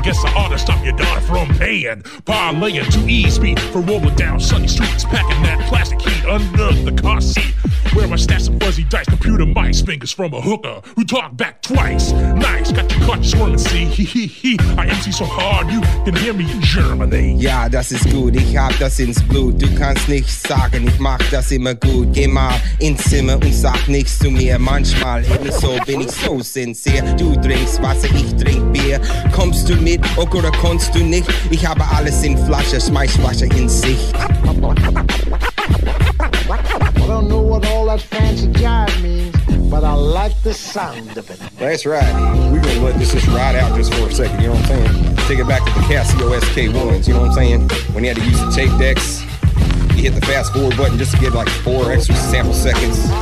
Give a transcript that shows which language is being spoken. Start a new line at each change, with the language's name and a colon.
English: Guess I ought to stop your daughter from paying. Parlaying to E-speed for rolling down sunny streets. Packing that plastic heat under the car seat. Where my stash of fuzzy dice, computer mice, fingers from a hooker who talked back twice. Nice, got your caught swirling, see, I MC so hard, you can hear me in Germany.
German: Ja, das ist gut, ich hab das ins Blut. Du kannst nicht sagen, ich mach das immer gut. Geh mal ins Zimmer und sag nichts zu mir. Manchmal eben so bin ich so sincere. Du trinkst Wasser, ich trink Bier. Kommst du mit, okay, oder kannst du nicht? Ich habe alles in Flasche, Schmeißflasche in Sicht.
English: I don't know what all that fancy jive means, but I like the sound of it. That's right. We're going to let this just ride out just for a second, you know what I'm saying? Take it back to the Casio SK1s, you know what I'm saying? When you had to use the tape decks, you hit the fast forward button just to get like 4 extra sample seconds.